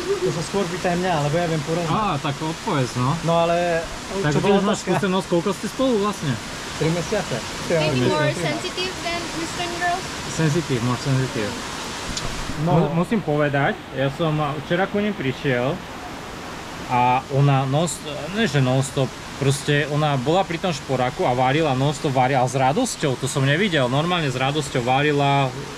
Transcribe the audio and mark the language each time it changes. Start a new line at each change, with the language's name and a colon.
Slovak: To sa skôr pýtaj mňa, lebo ja viem poradne. Á, tak odpovedz, no. No ale... Tak kde máš skúsenosť, koľko ste spolu vlastne? 3 mesiace.
English: Maybe more sensitive than Western girls? Sensitive, more sensitive.
Slovak: No, musím povedať, ja som včera ku nim prišiel a ona non-stop, proste ona bola pri tom šporáku a varila non-stop, varila s radosťou, to som nevidel, normálne s radosťou varila.